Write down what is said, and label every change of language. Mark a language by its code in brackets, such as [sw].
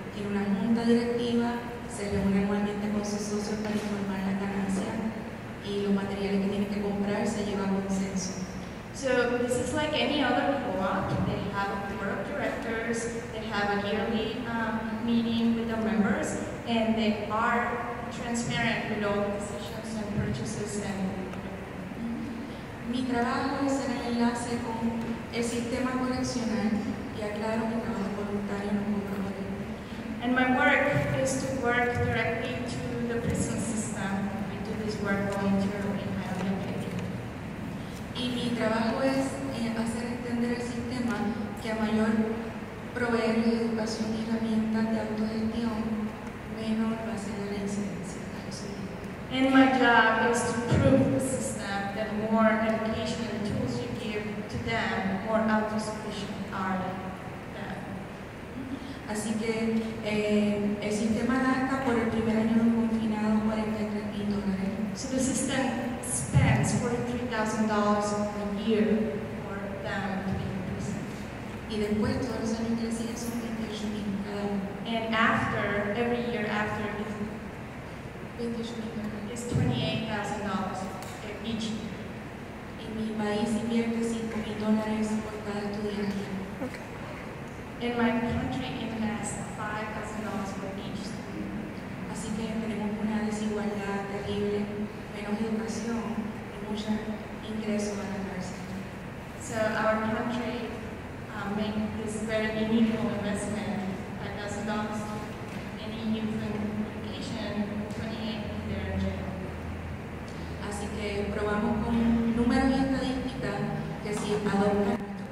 [es] en una junta directiva se reúne anualmente con sus socios para informar las ganancias y los materiales que tienen que comprar se llevan a consenso. [en] So this is like any other co-op. They have a board of directors, they have a yearly meeting with the members, and they are transparent with all decisions and purchases and [es] mi trabajo es en el enlace con el sistema correccional y aclaro mi trabajo voluntario no comprometido. [en] And my work is to work directly to the prison system. I do this work voluntarily in my own opinion. [es] Y mi trabajo es hacer entender el sistema que a mayor proveer de educación y herramientas de autogestión, menor va a ser la incidencia. [en] And my job is to prove the system that more education and tools you give to them, more autosufficient are them. [es] Así que el sistema gasta por el primer año de un confinado $43,000. [en] So the system spends $43,000 a year for them to be in prison. [es] Y después todos los años que siguen son 28,000 cada año. [en] And after, every year after, it's $28,000 each year. [es] En mi país invierte $5,000 por cada estudiante. [en] Okay. In my country, it has $5,000 for each student. [es] Así que tenemos una desigualdad terrible, menos educación y mucho ingreso a la cárcel. [en] So our country makes this very unequal investment, $5,000 any youth in education, $28,000 in their jail. [es] Así que probamos con números y estadísticas que si adoptan.